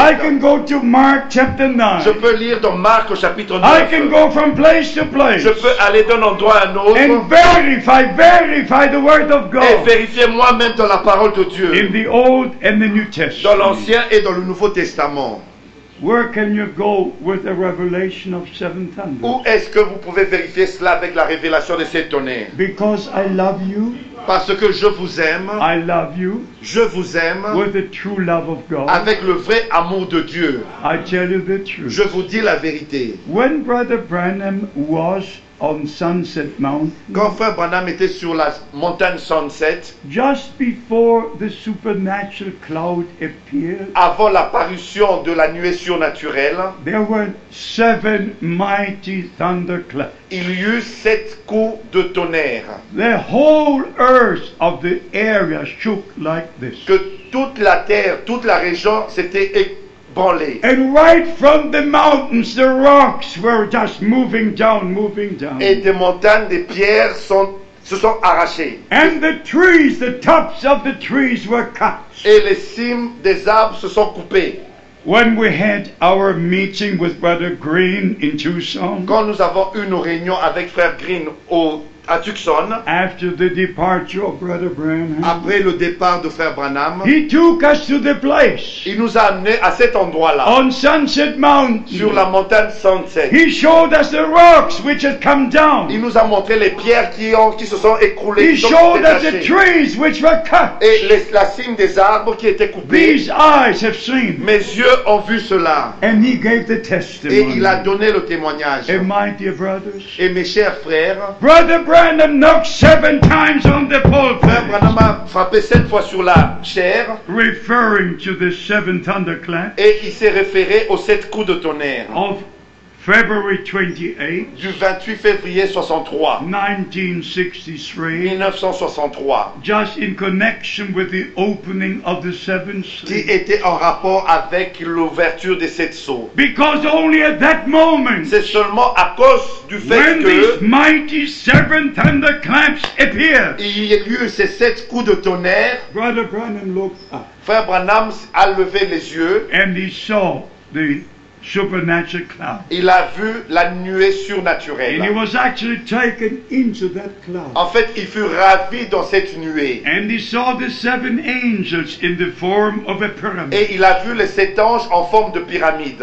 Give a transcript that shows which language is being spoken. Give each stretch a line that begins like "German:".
English: I can go to Mark chapter 9.
French: Je peux lire dans Marc au chapitre 9.
English: I can go from place to place.
French: Je peux aller d'un endroit à un autre.
English: And verify the word of God.
French: Et vérifier moi-même dans la parole de Dieu.
English: In the Old and the New Testament.
French: Dans l'Ancien et dans le Nouveau Testament.
English: Where can you go with the revelation of seven thunders?
French: Où est-ce que vous pouvez vérifier cela avec la révélation des sept tonnerres?
English: Because I love you.
French: Parce que je vous aime.
English: I love you.
French: Je vous aime.
English: With the true love of God.
French: Avec le vrai amour de Dieu.
English: I tell you the truth.
French: Je vous dis la vérité.
English: When Brother Branham was on Sunset Mountain,
French: quand frère Branham était sur la montagne Sunset,
English: just before the supernatural cloud appeared,
French: avant l'apparition de la nuée surnaturelle,
English: there were seven mighty thunderclaps.
French: Il y eut sept coups de tonnerre.
English: The whole earth of the area shook like this.
French: Que toute la terre, toute la région s'était ébranlée.
English: And right from the mountains, the rocks were just moving down.
French: Et des montagnes, des pierres se sont arrachées.
English: And the trees, the tops of the trees were cut.
French: Et les cimes des arbres se sont coupées.
English: When we had our meeting with Brother Green in Tucson,
French: quand nous avons eu nos réunions avec frère Green à Tucson,
English: after the departure of Brother Branham,
French: après le départ de frère Branham,
English: he took us to the place.
French: Il nous a amenés à cet endroit-là.
English: On Sunset Mountain,
French: sur la montagne Sunset,
English: he showed us the rocks which had come down.
French: Il nous a montré les pierres qui se sont écroulées.
English: He showed us the trees which were cut.
French: Et la cime des arbres qui étaient coupés.
English: These eyes have seen.
French: Mes yeux ont vu cela.
English: And he gave the testimony.
French: Et il a donné le témoignage.
English: And my dear brothers,
French: et mes chers frères,
English: Brother Branham knocked seven times on the pulpit.
French: Frère Branham a frappé sept fois sur la chair.
English: Referring to the seven thunderclaps.
French: Et il s'est référé aux sept coups de tonnerre.
English: Of February 28.
French: Du 28 février 63.
English: 1963. Just in connection with the opening of the seventh seal.
French: Qui était en rapport avec l'ouverture des sept sceaux.
English: Because only at that moment.
French: C'est seulement à cause du fait
English: when
French: que.
English: When these mighty seven thunderclaps appeared.
French: Il y a eu ces sept coups de tonnerre.
English: Brother Branham looked up.
French: Frère Branham a levé les yeux.
English: And he saw the supernatural cloud.
French: Il a vu la nuée surnaturelle.
English: And he was actually taken into that cloud.
French: En fait, il fut ravi dans cette nuée.
English: And he saw the seven angels in the form of a pyramid.
French: Et il a vu les sept anges en forme de pyramide.